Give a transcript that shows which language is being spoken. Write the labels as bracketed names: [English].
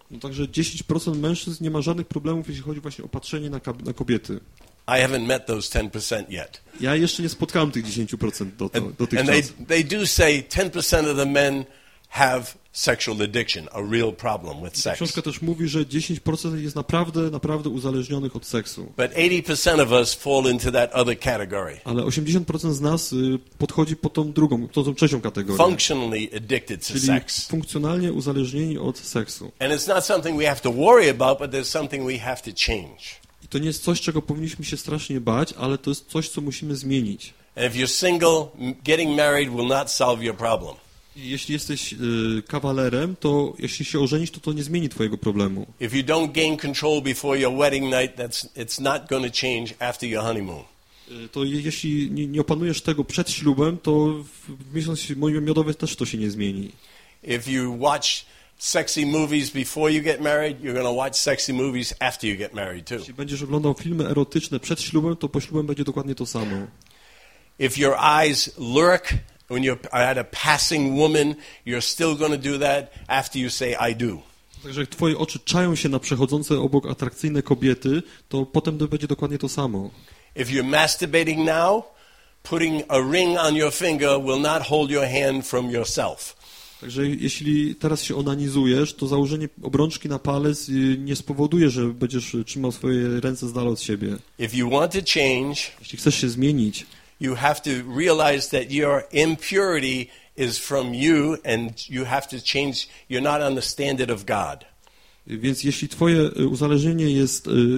[Polish] No także 10% mężczyzn nie ma żadnych problemów, jeśli chodzi właśnie o patrzenie na kobiety. [English] I haven't met those 10% yet. [Polish] Ja jeszcze nie spotkałem tych 10% dotychczas. [English] And they do say 10% of the men have sexual addiction, a real problem with sex. [Polish] Książka też mówi, że 10% jest naprawdę, naprawdę uzależnionych od seksu. [English] But 80% of us fall into that other category. [Polish] Ale 80% z nas podchodzi pod tą drugą, pod tą trzecią kategorię. [English] Functionally addicted to sex. [Polish] Czyli funkcjonalnie uzależnieni od seksu. [English] And it's not something we have to worry about, but there's something we have to change. [Polish] I to nie jest coś, czego powinniśmy się strasznie bać, ale to jest coś, co musimy zmienić. [English] And if you're single, getting married will not solve your problem. [Polish] Jeśli jesteś kawalerem, to jeśli się ożenisz, to nie zmieni twojego problemu. [English] If you don't gain control before your wedding night, it's not going to change after your honeymoon. [Polish] To jeśli nie opanujesz tego przed ślubem, to w miesiąc miodowy też to się nie zmieni. [English] If you watch sexy movies before you get married, you're going to watch sexy movies after you get married too. [Polish] Jeśli będziesz oglądał filmy erotyczne przed ślubem, to po ślubem będzie dokładnie to samo. [English] If your eyes lurk when you're at a passing woman, you're still going to do that after you say I do. [Polish] Także twoje oczy czają się na przechodzące obok atrakcyjne kobiety, to potem to będzie dokładnie to samo. [English] If you're masturbating now, putting a ring on your finger will not hold your hand from yourself. [Polish] Także jeśli teraz się onanizujesz, to założenie obrączki na palec nie spowoduje, że będziesz trzymał swoje ręce z dala od siebie. [English] If you want to change, [Polish] jeśli chcesz się zmienić, [English] you have to realize that your impurity is from you and you have to change, you're not on the standard of God. [Polish] Więc jeśli twoje uzależnienie jest